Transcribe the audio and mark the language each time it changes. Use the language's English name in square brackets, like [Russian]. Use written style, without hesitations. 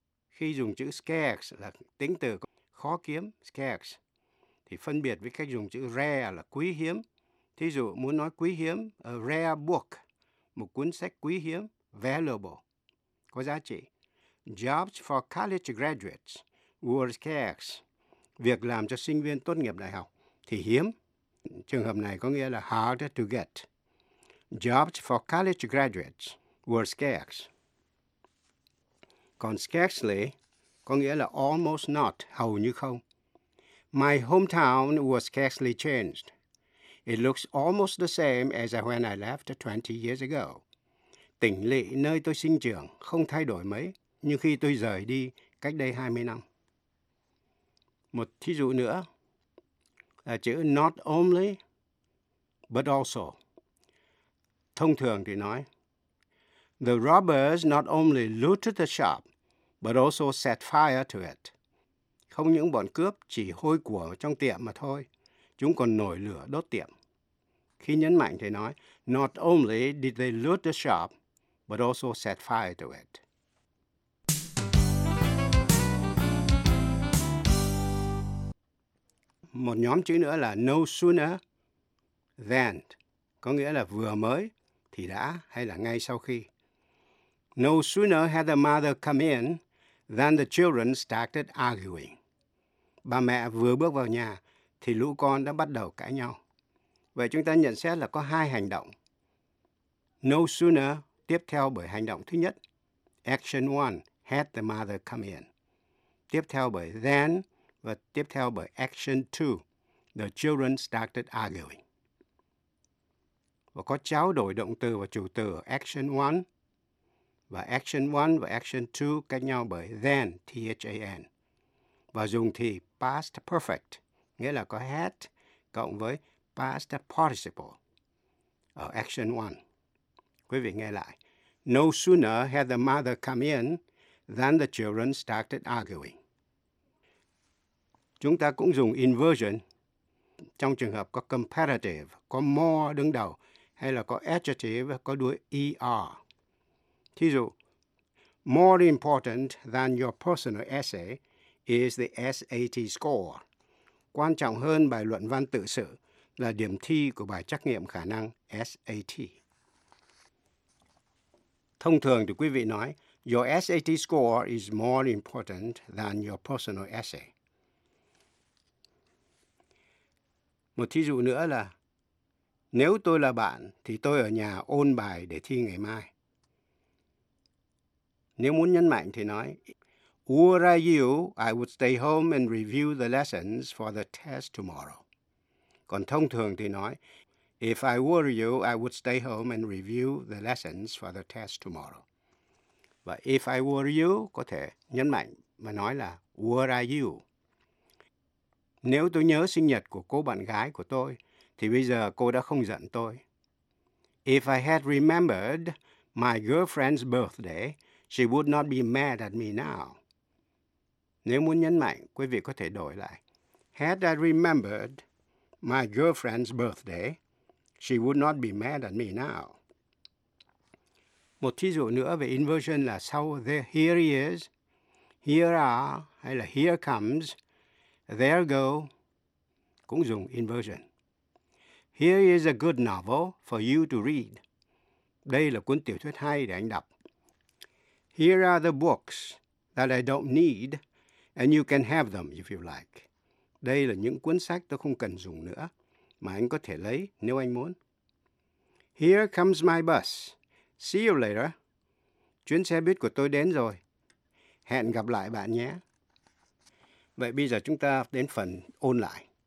[Vietnamese] Khi dùng chữ scarce là tính từ khó kiếm, scarce, thì phân biệt với cách dùng chữ rare là quý hiếm. Thí dụ muốn nói quý hiếm, [English] a rare book, [Vietnamese] một cuốn sách quý hiếm, valuable, có giá trị. [English] Jobs for college graduates were scarce. [Vietnamese] Việc làm cho sinh viên tốt nghiệp đại học thì hiếm. Trường hợp này có nghĩa là [English] harder to get. Jobs for college graduates were scarce. [Vietnamese] Còn scarcely có nghĩa là [English] almost not, [Vietnamese] hầu như không. [English] My hometown was scarcely changed. It looks almost the same as when I left 20 years ago. [Vietnamese] Tỉnh lỵ nơi tôi sinh trưởng không thay đổi mấy như khi tôi rời đi cách đây 20 năm. Một thí dụ nữa là chữ not only but also. Thông thường thì nói [English] the robbers not only looted the shop but also set fire to it. [Vietnamese] Không những bọn cướp chỉ hôi của trong tiệm mà thôi, chúng còn nổi lửa đốt tiệm. Khi nhấn mạnh thì nói [English] not only did they loot the shop but also set fire to it. [Vietnamese] Một nhóm chữ nữa là [English] no sooner than, [Vietnamese] có nghĩa là vừa mới thì đã hay là ngay sau khi. [English] No sooner had the mother come in than the children started arguing. [Vietnamese] Bà mẹ vừa bước vào nhà thì lũ con đã bắt đầu cãi nhau. Vậy chúng ta nhận xét là có hai hành động. No sooner tiếp theo bởi hành động thứ nhất. [English] Action one, had the mother come in. [Vietnamese] Tiếp theo bởi then và tiếp theo bởi action two, [English] the children started arguing. [Vietnamese] Và có trao đổi động từ và chủ từ action 1 và action 1 và action 2 cách nhau bởi then, than. Và dùng thì past perfect, nghĩa là có had cộng với past participle ở action 1. Quý vị nghe lại. [English] No sooner had the mother come in than the children started arguing. [Vietnamese] Chúng ta cũng dùng inversion trong trường hợp có comparative, có more đứng đầu, hay là có adjective có đuôi ER. Thí dụ, [English] More important than your personal essay is the SAT score. [Vietnamese] Quan trọng hơn bài luận văn tự sự là điểm thi của bài trắc nghiệm khả năng SAT. Thông thường thì quý vị nói, [English] your SAT score is more important than your personal essay. [Vietnamese] Một thí dụ nữa là, nếu tôi là bạn thì tôi ở nhà ôn bài để thi ngày mai. Nếu muốn nhấn mạnh thì nói, [English] were I you, I would stay home and review the lessons for the test tomorrow. [Vietnamese] Còn thông thường thì nói, [English] if I were you, I would stay home and review the lessons for the test tomorrow. [Vietnamese] Và [English] if I were you [Vietnamese] có thể nhấn mạnh mà nói là [English] were I you. [Vietnamese] Nếu tôi nhớ sinh nhật của cô bạn gái của tôi, thì bây giờ cô đã không giận tôi. [English] If I had remembered my girlfriend's birthday, she would not be mad at me now. [Vietnamese] Nếu muốn nhấn mạnh, quý vị có thể đổi lại. [English] Had I remembered my girlfriend's birthday, she would not be mad at me now. [Vietnamese] Một thí dụ nữa về inversion là sau there, [English] here he is, here are, [Vietnamese] hay là [English] here comes, there go, [Vietnamese] cũng dùng inversion. [English] Here is a good novel for you to read. [Vietnamese] Đây là cuốn tiểu thuyết hay để anh đọc. [English] Here are the books that I don't need, and you can have them if you like. [Vietnamese] Đây là những cuốn sách tôi không cần dùng nữa, mà anh có thể lấy nếu anh muốn. [English] Here comes my bus. See you later. [Vietnamese] Chuyến xe buýt của tôi đến rồi. Hẹn gặp lại bạn nhé. Vậy bây giờ chúng ta đến phần ôn lại.